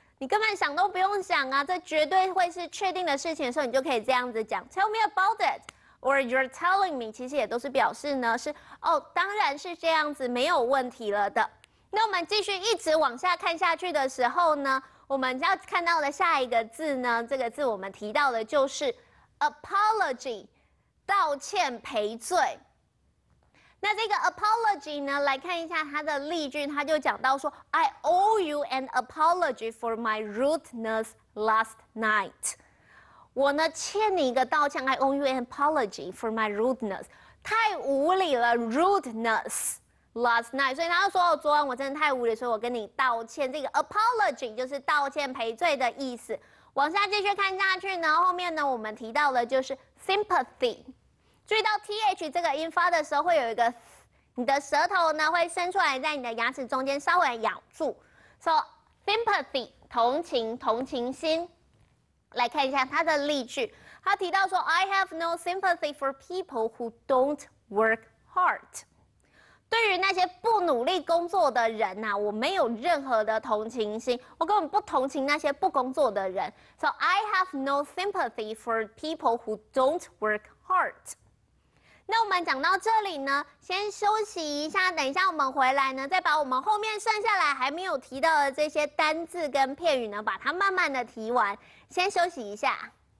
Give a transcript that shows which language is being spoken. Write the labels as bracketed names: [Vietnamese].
[Chinese] 你根本想都不用想啊，这绝对会是确定的事情的时候，你就可以这样子讲 ， [English] Tell me about it， or you're telling me， [Chinese] 其实也都是表示呢，是哦，当然是这样子，没有问题了的。那我们继续一直往下看下去的时候呢，我们要看到的下一个字呢，这个字我们提到的就是 apology， 道歉赔罪。那这个 apology 呢，来看一下它的例句，它就讲到说 ， [English] I owe you an apology for my rudeness last night。 [Chinese] 我呢欠你一个道歉 ， [English] I owe you an apology for my rudeness。 [Chinese] 太无理了 ， [English] rudeness last night。 [Chinese] 所以他就说，哦，昨晚我真的太无理，所以我跟你道歉。这个 apology 就是道歉赔罪的意思。往下继续看下去呢，后面呢我们提到的就是 sympathy。注意到 th 这个音发的时候，会有一个，你的舌头呢会伸出来，在你的牙齿中间稍微咬住。 So sympathy 同情，同情心。来看一下他的例句，他提到说 ， [English] I have no sympathy for people who don't work hard。 [Chinese] 对于那些不努力工作的人呐、啊，我没有任何的同情心，我根本不同情那些不工作的人。 [English] So I have no sympathy for people who don't work hard。 [Chinese] 那我们讲到这里呢，先休息一下，等一下我们回来呢，再把我们后面剩下来还没有提到的这些单字跟片语呢，把它慢慢的提完。先休息一下。